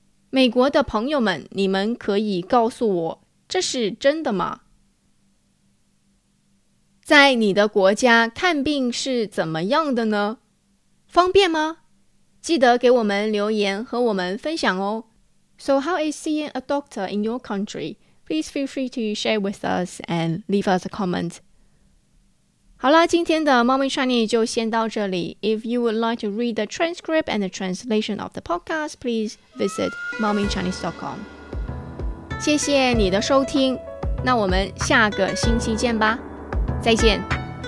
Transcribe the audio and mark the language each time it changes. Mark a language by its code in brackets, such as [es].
[zh] 美国的朋友们，你们可以告诉我，这是真的吗？在你的国家看病是怎么样的呢？方便吗？记得给我们留言和我们分享哦。 [en] So how is seeing a doctor in your country? Please feel free to share with us and leave us a comment. [zh] 好了，今天的 Mommy Chinese 就先到这里。 [en] If you would like to read the transcript and the translation of the podcast, please visit mommychinese.com. [zh] 谢谢你的收听，那我们下个星期见吧，再见。